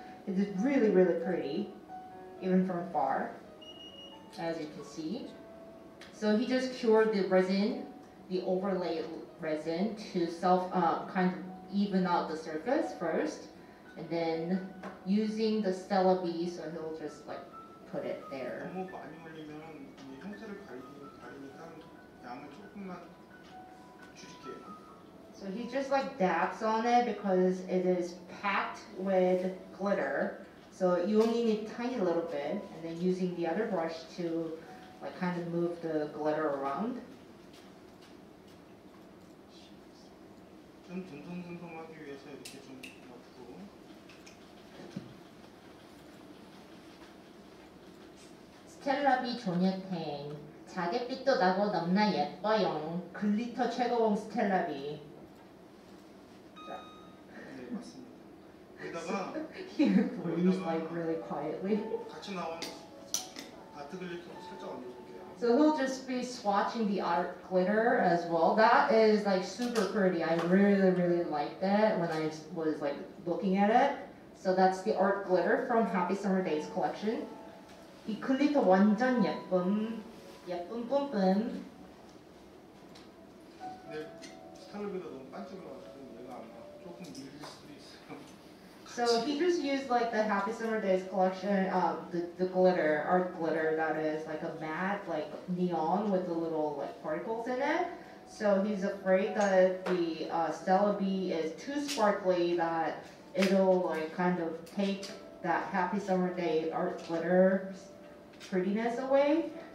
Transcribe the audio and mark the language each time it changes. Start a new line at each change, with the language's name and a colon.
English: It is really, really pretty, even from far, as you can see. So he just cured the resin, the overlay resin, to self, kind of even out the surface first, and then using the Stella B, so he'll just like put it there.
Korean: 너무 많이 올리면 형태를 가리니까 양을 조금만 줄일게요.
English: So he just like dabs on it because it is packed with glitter. So you only need a tiny little bit, and then using the other brush to like kind of move the glitter around.
Korean: 좀 듬성듬성하기 위해서 이렇게 좀 넣고. 스텔라비 조니탱. 자갯빛도 나고 넘나 예뻐요. 글리터 최고봉 스텔라비. 맞습니다. 여기다가
English: he breathes like really quietly.
Korean: 같이 나온 아트 글리터도 살짝 얹어줄게요.
English: So he'll just be swatching the art glitter as well. That is like super pretty. I really really liked it when I was like looking at it. So that's the art glitter from Happy Summer Days collection.
Korean: 이 글리터 완전 예쁨. 예쁨 뿜뿜. 네, 스텔라비가 너무 반짝반짝해서 얘가 아마 조금 밀릴 수도 있어요.
English: So he just used like the Happy Summer Days collection, the glitter, art glitter that is like a matte, like neon with the little like particles in it. So he's afraid that the Stella B is too sparkly that it'll like kind of take that Happy Summer Day art glitter prettiness away.